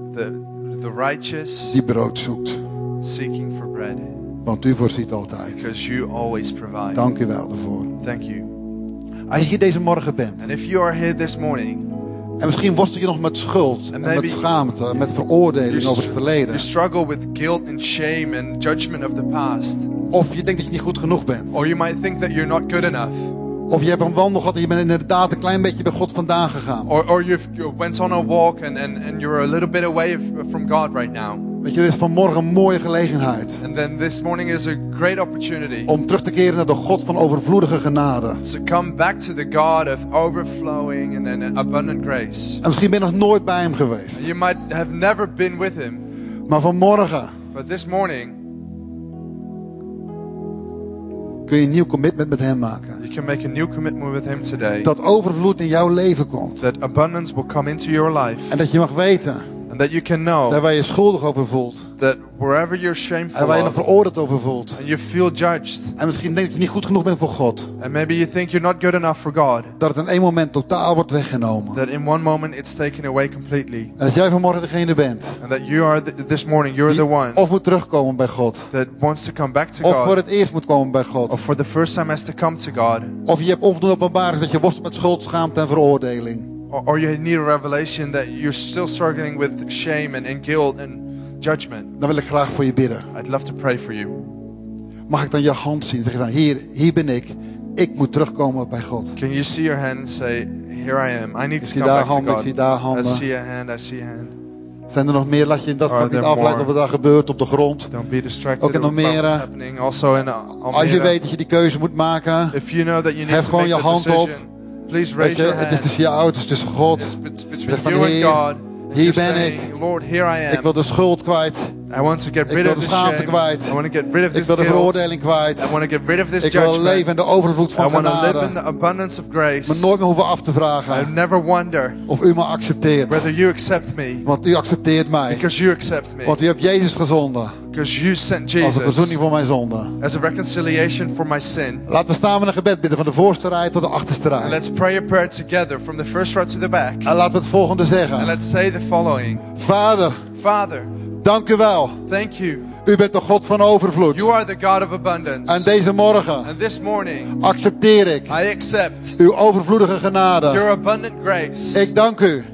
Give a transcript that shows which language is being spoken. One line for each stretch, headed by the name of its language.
English: The righteous.
Dutch: Die brood zoekt.
English: Seeking for bread.
Dutch: Want u voorziet altijd.
English: Because you always provide.
Dutch: Dank u wel daarvoor.
English: Thank you.
Dutch: Als je hier deze morgen bent.
English: And if you are here this morning.
Dutch: En misschien worstel je nog met schuld en met schaamte, met veroordeling over het verleden.
English: You struggle with guilt and shame and judgment of the past.
Dutch: Of je denkt dat je niet goed genoeg bent.
English: Or you might think that you're not good enough.
Dutch: Of je hebt een wandel gehad en je bent inderdaad een klein beetje bij God vandaan gegaan.
English: Or you've went on a walk and you're a little bit away from God right now.
Dutch: Weet je, er is vanmorgen een mooie gelegenheid.
English: And then this morning is a great opportunity.
Dutch: Om terug te keren naar de God van overvloedige genade.
English: So come back to the God of overflowing and then abundant grace.
Dutch: En misschien ben je nog nooit bij hem geweest.
English: You might have never been with him.
Dutch: Maar vanmorgen.
English: But this morning.
Dutch: Kun je een nieuw commitment met hem maken.
English: You can make a new commitment with him today.
Dutch: Dat overvloed in jouw leven komt.
English: That abundance will come into your life.
Dutch: En dat je mag weten.
English: And that you can know.
Dutch: Dat waar je schuldig over voelt.
English: That wherever you're shameful.
Dutch: En waar je nog veroordeeld over voelt.
English: And you feel judged.
Dutch: En misschien denk je niet goed genoeg bent voor God.
English: And maybe you think you're not good enough for God.
Dutch: Dat het in één moment totaal wordt weggenomen.
English: That in one moment it's taken away completely.
Dutch: En dat jij vanmorgen degene bent.
English: And that you are this morning you're the one.
Dutch: Of moet terugkomen bij God.
English: That wants to come back to
Dutch: of
English: God.
Dutch: Of voor het eerst moet komen bij God.
English: Or for the first time has to come to God.
Dutch: Of je hebt onvoldoende openbaring dat je worstelt met schuld, schaamte en veroordeling.
English: Or you need a revelation that you're still struggling with shame and guilt and judgment.
Dutch: Dan wil ik graag voor je bidden.
English: I'd love to pray for you.
Dutch: Mag ik dan je hand zien? Zeg dan, hier ben ik. Ik moet terugkomen bij God.
English: Can you see your hand and say, here I am. I need
Dutch: ik
English: to come back
Dutch: handen,
English: to God.
Dutch: Ik zie daar handen.
English: I see a hand. I see a hand.
Dutch: Zijn er nog meer? Laat je dat niet afleiden over wat daar gebeurt op de grond.
English: Don't be distracted.
Dutch: Ook in Almere.
English: Also in Almere.
Dutch: Als je weet dat je die keuze moet maken.
English: If you know that you need
Dutch: heb gewoon
English: to make
Dutch: je hand
English: decision,
Dutch: op.
English: Please raise your hand.
Dutch: Het is tussen je ouders, het is tussen God.
English: It's between you and God.
Dutch: Hier ben ik.
English: Lord, here I am.
Dutch: Ik wil de schuld kwijt.
English: I want to get rid of the shame.
Dutch: Ik wil de schaamte kwijt. Ik wil de veroordeling kwijt.
English: I want to get rid of this
Dutch: ik wil leven in de overvloed van genade.
English: I want to live in the abundance of grace.
Dutch: Maar nooit meer hoeven af te vragen.
English: I never wonder
Dutch: of u me accepteert.
English: Whether you accept me.
Dutch: Want u accepteert mij.
English: Because you accept me.
Dutch: Want u hebt Jezus gezonden.
English: Because you sent Jesus.
Dutch: Als een verzoening voor mijn zonde.
English: As a reconciliation for my sin.
Dutch: Laten we staan met een gebed bidden van de voorste rij tot de achterste rij.
English: And let's pray a prayer together from the first row to the back.
Dutch: En laten we het volgende zeggen.
English: And let's say the following.
Dutch: Vader.
English: Father.
Dutch: Dank u wel.
English: Thank you.
Dutch: U bent de God van overvloed.
English: You are the God of abundance.
Dutch: En deze morgen.
English: And this morning.
Dutch: Accepteer ik.
English: I accept.
Dutch: Uw overvloedige genade.
English: Your abundant grace.
Dutch: Ik dank u.